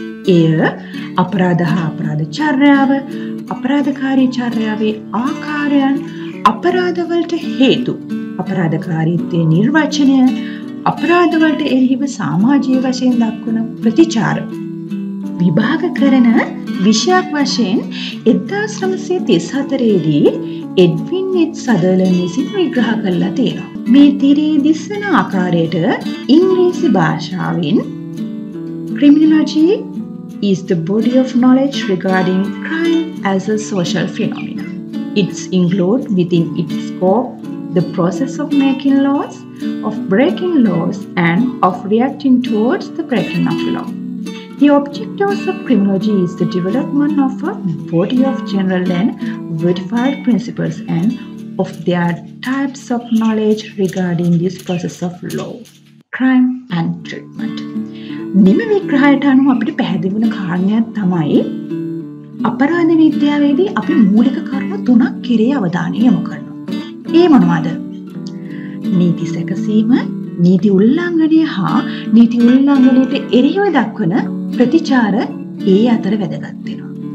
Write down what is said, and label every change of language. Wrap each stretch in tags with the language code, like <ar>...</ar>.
<si>එය අපරාධ හා අපරාධ චර්යාව, අපරාධකාරී චර්යාවේ ආකාරයන්, අපරාධවලට හේතු, අපරාධකාරීත්වයේ නිර්වචනය, අපරාධවලට එරෙහිව සමාජීය වශයෙන් දක්වන ප්‍රතිචාර විභාග කරන විෂයක් වශයෙන් 1934 එඩ්වින් සදර්ලන් විසින් විග්‍රහ කළා තියෙනවා. මේ තිරයේ දිස්වන ආකාරයට ඉංග්‍රීසි භාෂාවෙන්</si> <en>Criminology is the body of knowledge regarding crime as a social phenomenon. It's include within its scope the process of making laws, of breaking laws, and of reacting towards the breaking of law. The objectives of criminology is the development of a body of general and verified principles and of their types of knowledge regarding this process of law, crime, and treatment.</en> <si>මෙම විග්‍රහයට අනුව අපිට පැහැදිලි වුණ කාරණයක් තමයි අපරාධ විද්‍යාවේදී අපි මූලික කරුණු තුනක් කෙරේ අවධානය යොමු කරනවා. ඒ මොනවද? නීති සැකසීම, නීති උල්ලංඝනය හා නීති උල්ලංඝනයට එරෙහිව දක්වන ප්‍රතිචාර, ඒ අතර වැදගත් වෙනවා.</si>